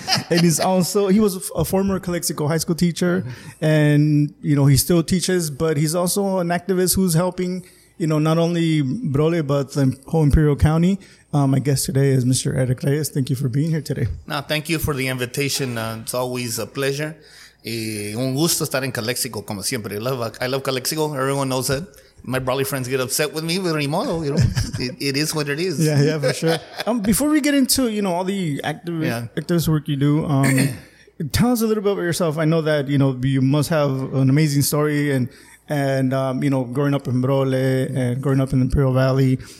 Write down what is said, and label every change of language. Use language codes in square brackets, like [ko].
[en] And he was a former Calexico High School teacher. Mm-hmm. And, you know, he still teaches, but he's also an activist who's helping, you know, not only Brole, but the whole Imperial County. My guest today is Mr. Eric Reyes. Thank you for being here today. No, thank you for the invitation. It's always a pleasure. [es] Un gusto estar en Calexico, como siempre. [en] I love Calexico. Everyone knows it. My Brawley friends get upset with me, but remodo, you know, it is what it is. Yeah, for sure. Before we get into, you know, all the activist work you do, tell us a little bit about yourself. I know that, you know, you must have an amazing story and you know, growing up in Brole and growing up in the Imperial Valley.